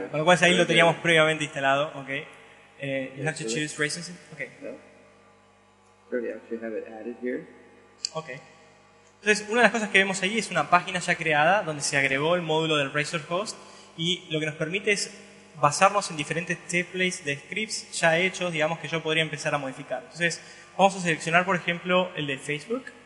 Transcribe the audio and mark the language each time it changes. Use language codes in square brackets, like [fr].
[es] Con lo cual ahí lo teníamos previamente instalado, okay. [en] You have to choose Razer Sync. Okay. No. We actually have it added here. Okay. [es] Entonces, una de las cosas que vemos ahí es una página ya creada donde se agregó el módulo del Razer Host y lo que nos permite es basarnos en diferentes templates de scripts ya hechos, digamos, que yo podría empezar a modificar. Entonces, vamos a seleccionar, por ejemplo, el de Facebook.